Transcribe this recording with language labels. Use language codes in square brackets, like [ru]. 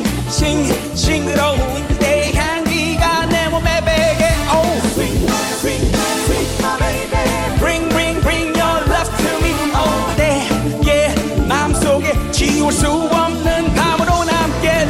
[ko] 싱싱싱그러운 그대의 향기가 내 몸에 배게. [en] Oh, swing, swing, swing my baby. Bring, bring, bring your love to me. [ko] Oh, 그대의 마음속에 지울 수 없는 밤으로 남게.